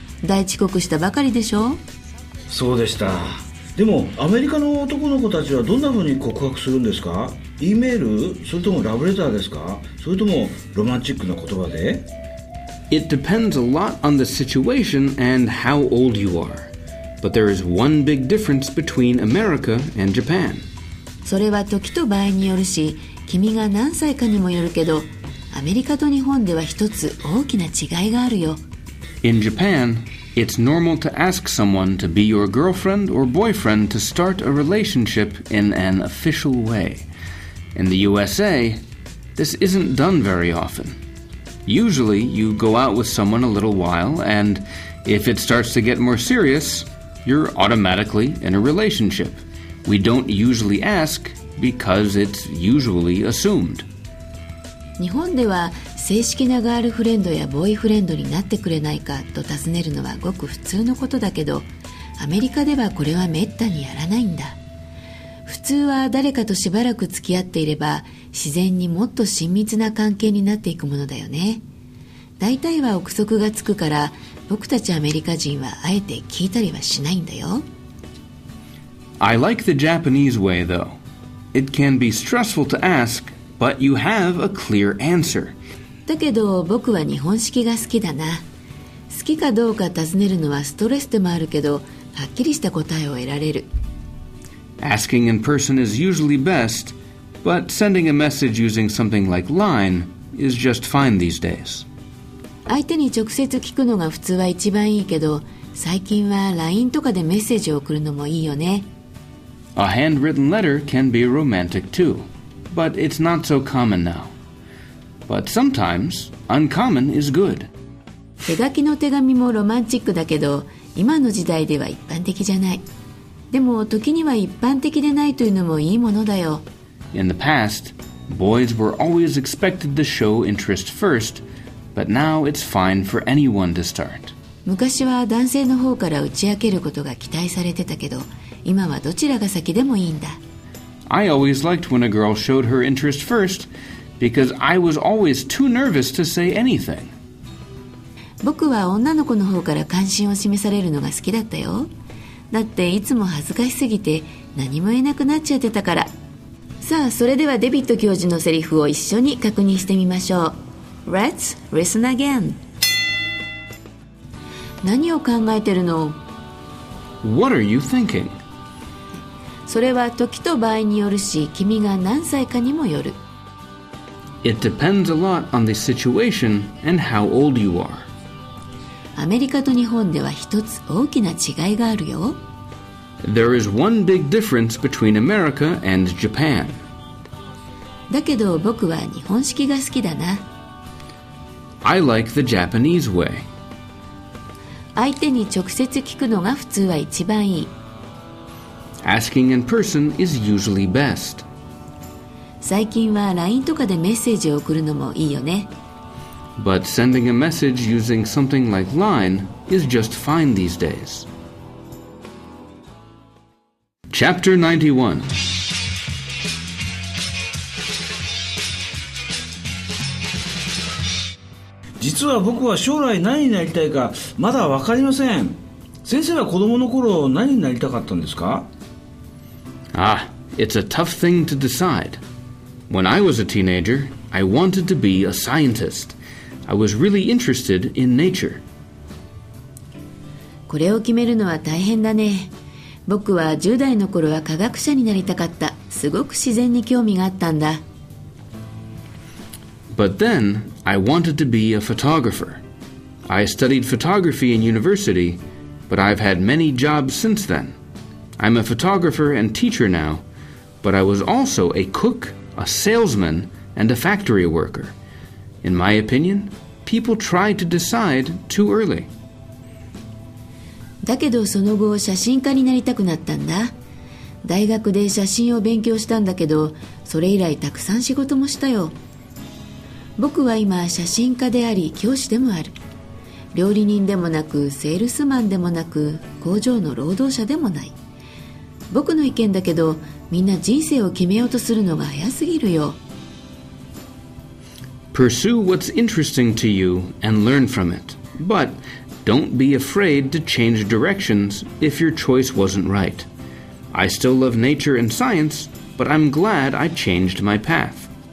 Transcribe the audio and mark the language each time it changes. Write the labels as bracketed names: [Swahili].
[Japanese] 大遅刻したばかりでしょ? そうでした。でも、アメリカの男の子たちはどんな風に告白するんですか?E メール? それともラブレターですか?それともロマンチックな言葉で? [English] It depends a lot on the situation and how old you are. But there is one big difference between America and Japan. [Japanese] それは時と場合によるし、君が何歳かにもよるけど、アメリカと日本では一つ大きな違いがあるよ。 [English] In Japan, it's normal to ask someone to be your girlfriend or boyfriend to start a relationship in an official way. In the USA, this isn't done very often. Usually, you go out with someone a little while, and if it starts to get more serious, you're automatically in a relationship. We don't usually ask... Because it's usually assumed. [Japanese] 日本では正式なガールフレンドやボーイフレンドになってくれないかと尋ねるのはごく普通のことだけど、アメリカではこれはめったにやらないんだ。普通は誰かとしばらく付き合っていれば自然にもっと親密な関係になっていくものだよね。大体は憶測がつくから、僕たちアメリカ人はあえて聞いたりはしないんだよ。 [English] I like the Japanese way though. It can be stressful to ask, but you have a clear answer. [Japanese] だけど僕は日本式が好きだな。好きかどうか尋ねるのはストレスでもあるけど、はっきりした答えを得られる。 [English] Asking in person is usually best, but sending a message using something like LINE is just fine these days. [Japanese] 相手に直接聞くのが普通は一番いいけど、最近は LINE とかでメッセージを送るのもいいよね。 [English] A handwritten letter can be romantic too, but it's not so common now. But sometimes, uncommon is good. [Japanese] 手書きの手紙もロマンチックだけど、今の時代では一般的じゃない。でも時には一般的でないというのもいいものだよ。 [English] In the past, boys were always expected to show interest first, but now it's fine for anyone to start. [Japanese] 昔は男性の方から打ち明けることが期待されてたけど、今はどちらが先でもいいんだ。 [English] I always liked when a girl showed her interest first, because I was always too nervous to say anything. [Japanese] 僕は女の子の方から関心を示されるのが好きだったよ。だっていつも恥ずかしすぎて何も言えなくなっちゃってたから。さあ、それではデビット教授のセリフを一緒に確認してみましょう。 [English] Let's listen again. [Japanese] 何を考えてるの？ [English] What are you thinking? [Japanese] それは時と場合によるし、君が何歳かにもよる。 [English] It depends a lot on the situation and how old you are. [Japanese] アメリカと日本では一つ大きな違いがあるよ。 [English] There is one big difference between America and Japan. [Japanese] だけど僕は日本式が好きだな。 [English] I like the Japanese way. [Japanese] 相手に直接聞くのが普通は一番いい。 [English] Asking in person is usually best. [Japanese] 最近は LINE とかでメッセージを送るのもいいよね。 [English] But sending a message using something like LINE is just fine these days. Chapter 91. [Japanese] 実は僕は将来何になりたいかまだ分かりません。先生は子供の頃何になりたかったんですか？ [English] Ah, it's a tough thing to decide. When I was a teenager, I wanted to be a scientist. I was really interested in nature. [Japanese] これを決めるのは大変だね。僕は10代の頃は科学者になりたかった。すごく自然に興味があったんだ。 [English] But then, I wanted to be a photographer. I studied photography in university, but I've had many jobs since then. I'm a photographer and teacher now, but I was also a cook, a salesman, and a factory worker. In my opinion, people try to decide too early. [Japanese] だけどその後写真家になりたくなったんだ。大学で写真を勉強したんだけど、それ以来たくさん仕事もしたよ。僕は今写真家であり教師でもある。料理人でもなくセールスマンでもなく工場の労働者でもない。僕の意見だけど、みんな人生を決めようとするのが早すぎるよ。 [English] Pursue what's interesting to you and learn from it. But don't be afraid to change directions if your choice wasn't right. I still love nature and science, but I'm glad I changed my path.